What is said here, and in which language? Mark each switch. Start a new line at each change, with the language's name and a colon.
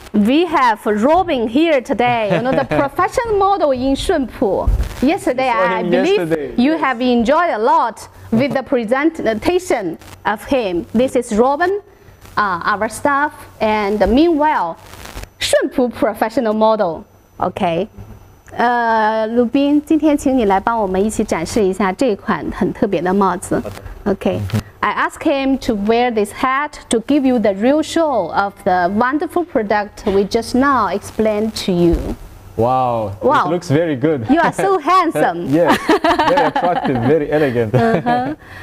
English: We have Robin here today, you know, the professional model in Shunpu. Yesterday, I believe yesterday. You have enjoyed a lot with the presentation of him. This is Robin, our staff, and meanwhile, Shunpu professional model, okay.
Chinese: 鲁宾, 今天请你来帮我们一起展示一下这款很特别的帽子。
English: Okay, I asked him to wear this hat to give you the real show of the wonderful product we just now explained to you. Wow, wow. It looks very good. You are so handsome. Yes, very attractive, very elegant.